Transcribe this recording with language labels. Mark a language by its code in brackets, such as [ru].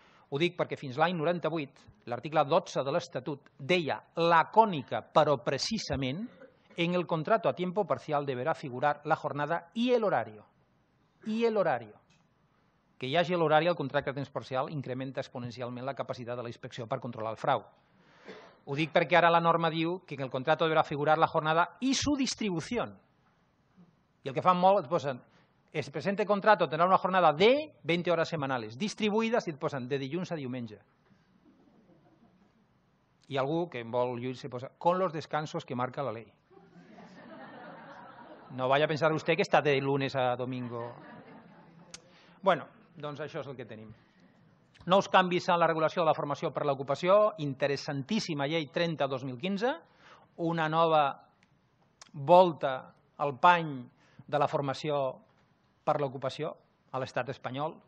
[ca] Ho dic perquè fins l'any 98 l'article 12 de l'Estatut deia lacònica, però precisament, [es] en el contrato a tiempo parcial deberá figurar la jornada y el horario. [ca] Y el horario. Que hi hagi l'horari al contracte a temps parcial incrementa exponencialment la capacitat de la inspecció per controlar el frau. Ho dic perquè ara la norma diu que [es] en el contrato deberá figurar la jornada y su distribución. [ca] I el que fan molt, et posen, [es] el presente contrato tendrá una jornada de 20 hores semanales, [ca] distribuïdes, i et posen de dilluns a diumenge. I algú que vol lluir-se posa [es] con los descansos que marca la ley. No vaya a pensar usted que está de lunes a domingo. [ca] Bueno, doncs això és el que tenim. Nous canvis en la regulació de la formació per a l'ocupació, interessantíssima llei 30-2015, una nova volta al pany de la formació per a l'ocupació a l'estat espanyol.